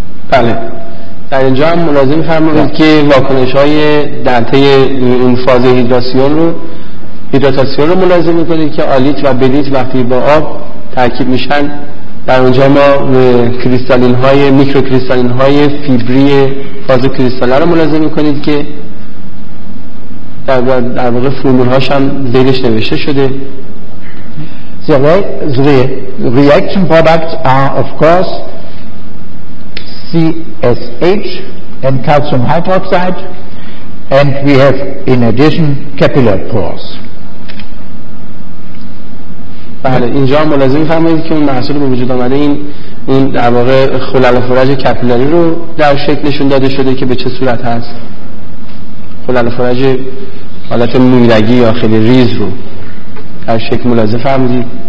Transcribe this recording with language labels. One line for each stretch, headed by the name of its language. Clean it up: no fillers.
Persian: بله، در اینجا هم ملاحظه می‌فرمایید که واکنش های در طی این فاز هیدراتاسیون رو ملاحظه می‌کنید که آلیت و بلیت وقتی با آب ترکیب میشن در اونجا ما کریستالین های میکرو کریستالین های فیبری فاز کریستاله رو ملاحظه می‌کنید که در واقع فرمول هاش هم دلش نوشته شده.
English: The reaction products are, of course, CSH and calcium hydroxide, and we have, in addition, capillary pores.
Persian: بله، اینجا هم ملاحظه می‌فرمایید که اون محصول به وجود آمده این در واقع خلل فرج کپیلاری رو در شکل نشون داده شده که به چه صورت هست، خلل فرج حالت مویرگی یا خیلی ریز رو در شکل ملاحظه فرمودید.